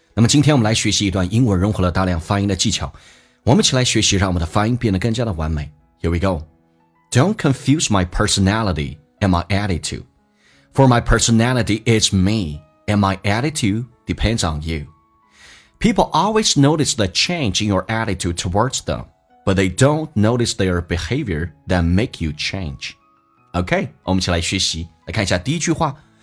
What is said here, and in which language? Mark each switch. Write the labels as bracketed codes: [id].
[zh] 那么今天我们来学习一段英文融合了大量发音的技巧，我们一起来学习让我们的发音变得更加的完美。 [en] Here we go. Don't confuse my personality and my attitude. For my personality is me, and my attitude depends on you. People always notice the change in your attitude towards them, but they don't notice their behavior that make you change. [zh] OK, 我们一起来学习，来看一下第一句话。